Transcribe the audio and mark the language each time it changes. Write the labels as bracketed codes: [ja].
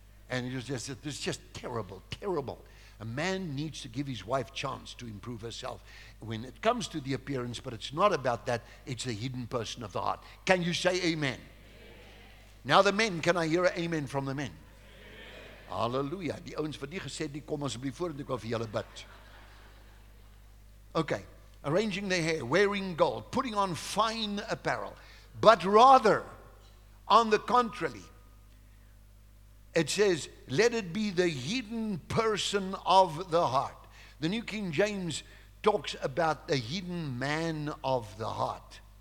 [en] And it's just terrible, terrible. A man needs to give his wife chance to improve herself when it comes to the appearance, but it's not about that, it's the hidden person of the heart. Can you say amen? Amen. Now the men, can I hear an amen from the men? Amen. Hallelujah. [af] Die ouens wat nie gesê het nie, kom asseblief vorentoe ek wil vir julle bid. [en] Okay. Arranging their hair, wearing gold, putting on fine apparel. But rather, on the contrary, it says, let it be the hidden person of the heart. The New King James talks about the hidden man of the heart.